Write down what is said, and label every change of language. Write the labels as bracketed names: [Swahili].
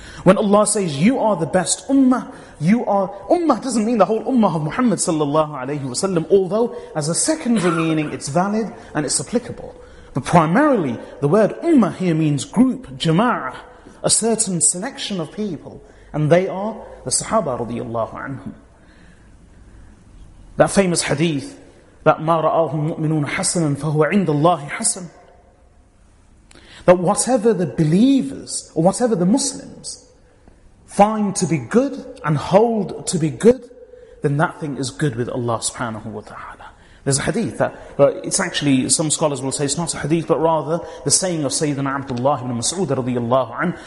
[English] When Allah says, "You are the best ummah," you are ummah doesn't mean the whole ummah of Muhammad sallallahu alaihi wasallam. Although, as a secondary meaning, it's valid and it's applicable. But primarily, the word ummah here means group, jama'ah, a certain selection of people, and they are the Sahaba radiallahu anhum. That famous hadith, that [Arabic] مَا رَآهُ الْمُؤْمِنُونَ حَسَنًا فَهُوَ عِنْدَ اللَّهِ حَسَنًا. [English] That whatever the believers, or whatever the Muslims, find to be good and hold to be good, then that thing is good with Allah subhanahu wa ta'ala. There's a hadith that, it's actually, some scholars will say it's not a hadith, but rather the saying of Sayyidina Abdullah ibn Mas'ud radiallahu anhu.